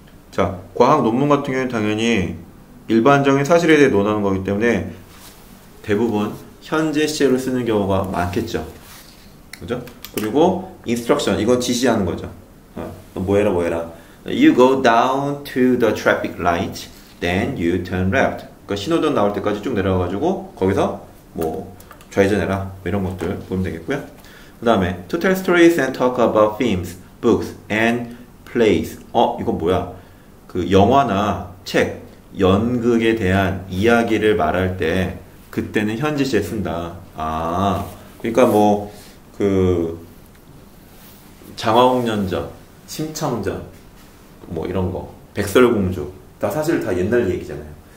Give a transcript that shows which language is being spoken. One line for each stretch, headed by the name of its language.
Korean: 자, 과학 논문 같은 경우는 당연히 일반적인 사실에 대해 논하는 거기 때문에 대부분 현재 시제로 쓰는 경우가 많겠죠. 그죠? 그리고 인스트럭션 이건 지시하는 거죠. 너 뭐해라 뭐해라.
English: You go down to the traffic light, then you turn left.
Korean: 그러니까 신호등 나올 때까지 쭉 내려가가지고 거기서 뭐 좌회전해라 뭐 이런 것들 보면 되겠고요. 그 다음에
English: To tell stories and talk about themes, books, and plays.
Korean: 이건 뭐야? 그 영화나 책, 연극에 대한 이야기를 말할 때 그때는 현재 시제 쓴다. 아, 그러니까 뭐 그 장화홍련전, 심청전 뭐 이런 거, 백설공주 다 사실 다 옛날 얘기잖아요.